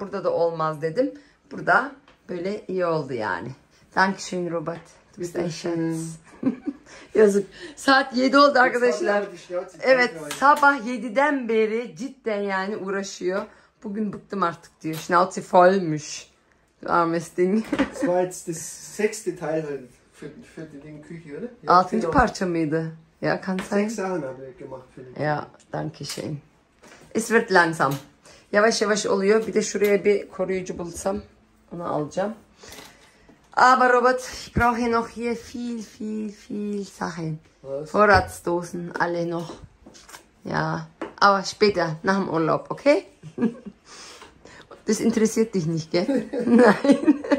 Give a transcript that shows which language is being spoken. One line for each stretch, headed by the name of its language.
Turkish: Burada da olmaz dedim. Burada böyle iyi oldu yani.
German: Dankeschön Robert. Du bist ein Schatz.
Turkish: Yazık. Saat 7 oldu arkadaşlar. Evet sabah 7'den beri cidden yani uğraşıyor. Bugün bıktım artık diyor.
German: Schnauze vollmüş. Du armes Ding. Das war jetzt das sechste Teil für den Küche, oder?
Turkish: 6. parça mıydı?
German: Ja, kann sein. Sechs Sachen habe ich gemacht für den. Ja, danke schön. Es wird langsam.
Turkish: Yavaş yavaş oluyor. Bir de şuraya bir koruyucu bulsam onu alacağım.
German: Aber Robert, ich brauche noch hier viel, viel, viel Sachen. Was? Vorratsdosen, alle noch. Ja, aber später, nach dem Urlaub, okay? Das interessiert dich nicht, gell? Nein.